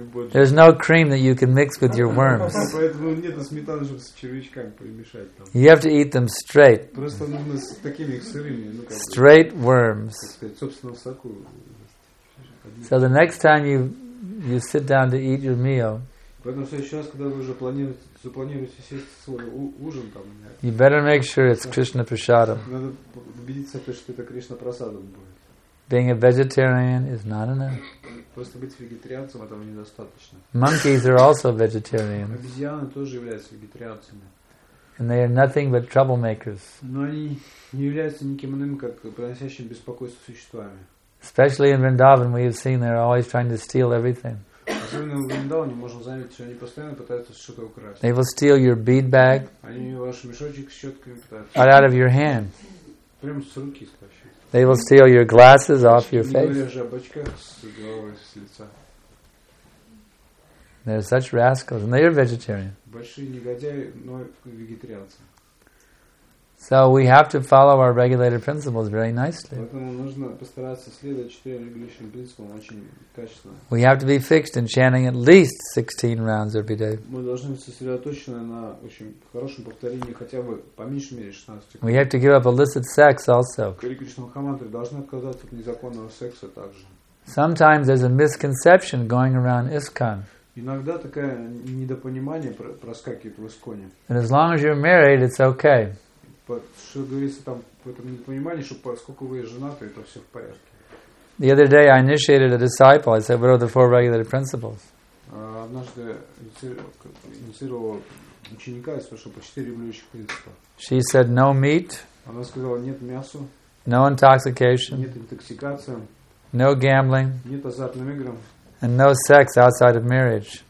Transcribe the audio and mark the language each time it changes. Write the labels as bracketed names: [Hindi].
[English] there's no cream that you can mix with your worms. [Russian] Поэтому нету сметаны, чтобы с червячками перемешать там. [English] You have to eat them straight. [Russian] Просто нужно с такими сырыми, [English] straight worms. [Russian] Собственно, соку. [English] So the next time you sit down to eat your meal. [Russian] Поэтому следующий раз, когда вы уже запланируете сесть свой ужин там. [English] You better make sure it's Krishna Prasadam. [Russian] Надо убедиться, что это Кришна Прасадам будет. [English] Being a vegetarian is not enough. [Russian] Просто быть вегетарианцем этого недостаточно. [English] Monkeys are also vegetarians. [Russian] Обезьяны тоже являются вегетарианцами. [English] And they are nothing but troublemakers. [Russian] Но они не являются никем иным, как приносящим беспокойство существами. [English] Especially in Vrindavan, we have seen they're always trying to steal everything. [Russian] Особенно в Вриндаване можно заметить, что они постоянно пытаются что-то украсть. [English] They will steal your bead bag. [Russian] Они ваш мешочек с четками пытаются. [English] Right out of your hand. [Russian] Прямо с руки вообще. [English] They will steal your glasses off your face. [Russian] Не говоря же об очках с головы, с лица. [English] They're such rascals, and they're vegetarian. [Russian] Большие негодяи, но вегетарианцы. [English] So we have to follow our regulated principles very nicely. [Russian] Поэтому нужно постараться следовать четырем регулирующим принципам очень качественно. [English] We have to be fixed in chanting at least 16 rounds every day. [Russian] Мы должны быть сосредоточены на очень хорошем повторении хотя бы по меньшей мере 16. [English] We have to give up illicit sex also. [Russian] Кришнамахамантры должны отказаться от незаконного секса также. [English] Sometimes there's a misconception going around ISKCON. [Russian] Иногда такое недопонимание проскакивает в ИСККОНе. [English] And as long as you're married, it's okay. [Russian] Что говорится там в этом непонимании, что поскольку вы женаты, это все в порядке. [English] The other day I initiated a disciple. I said, what are the four regulated principles? [Russian] Однажды инициировал ученика и спросил по четыре регулирующих принципа. [English] She said, no meat. [Russian] Она сказала, нет мясу. [English] No intoxication. [Russian] Нет интоксикации. [English] No gambling. [Russian] Нет азартным играм. [English] And no sex outside of marriage.